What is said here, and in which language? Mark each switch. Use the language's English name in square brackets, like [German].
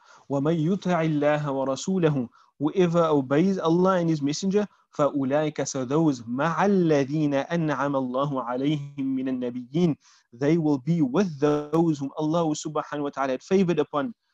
[Arabic] وَمَنْ يُطَعِ اللَّهَ وَرَسُولَهُ. [English] Whoever obeys Allah and His Messenger, [Arabic] فَأُولَٰئِكَ. [English] So those [Arabic] مَعَ الَّذِينَ أَنْعَمَ اللَّهُ عَلَيْهِمْ مِنَ النَّبِيِّينَ. [English] They will be with those whom Allah subhanahu wa ta'ala had favored upon.